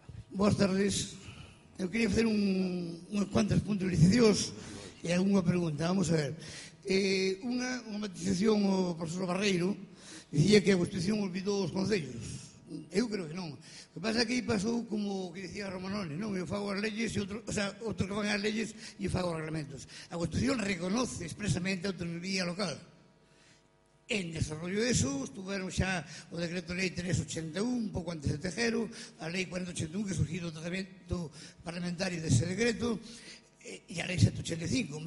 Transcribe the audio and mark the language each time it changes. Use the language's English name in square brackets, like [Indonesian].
[Galician] Boas tardes. Eu queria facer unhas cuantas puntualizacións e algunha pregunta. Vamos a ver. Unha matización ao profesor Barreiro dicía que a Constitución olvidou os concellos. Eu creo que non. O que pasa é que aí pasou como que dicía Romanone, non? Eu fago as leyes e outro que fago as leyes e fago os reglamentos. [Spanish] A Constitución reconoce expresamente a autonomía local. En desarrollo de eso, estuvieron ya o decreto ley 381, poco antes de Tejero, la ley 481, que surgió del tratamiento parlamentario de ese decreto, y la ley 785.